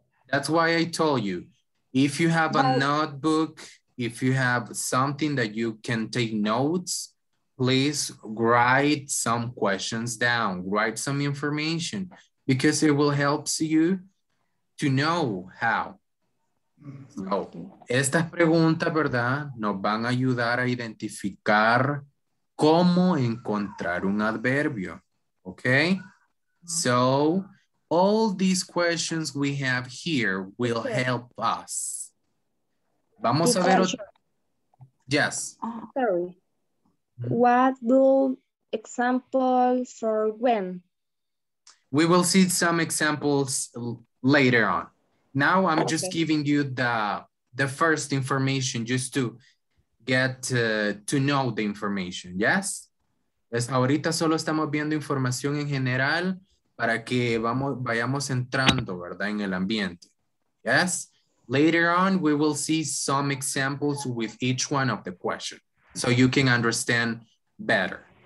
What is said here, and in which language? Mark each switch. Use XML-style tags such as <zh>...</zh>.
<en>That's why I told you, if you have a notebook, if you have something that you can take notes, please write some questions down, write some information, because it will help you to know how.</en> <es>So, estas preguntas, ¿verdad?, nos van a ayudar a identificar cómo encontrar un adverbio, okay?</es> <en>So, all these questions we have here will help us.</en> <es>Vamos a ver. Yes.</es> <en>Sorry. What will example for when? We will see some examples later on. Now I'm just giving you the first information just to get to know the information, yes?</en> <es>Pues ahorita solo estamos viendo información en general para que vayamos entrando, ¿verdad?, en el ambiente, yes?</es> <en>Later on, we will see some examples with each one of the questions so you can understand better.</en>